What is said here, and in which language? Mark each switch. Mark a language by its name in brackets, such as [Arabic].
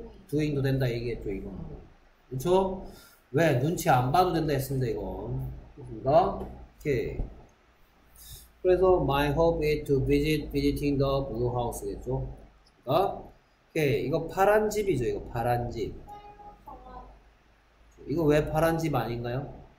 [Korean] 두잉도 된다 얘기했죠 이거. 그렇죠? 왜 눈치 안 봐도 된다 했습니다 이건. 그니까 오케이. 그래서 [English] my hope is to visiting the blue house겠죠? [Korean] 그러니까 오케이 이거 파란 집이죠 이거 파란 집 이거 왜 파란 집 아닌가요?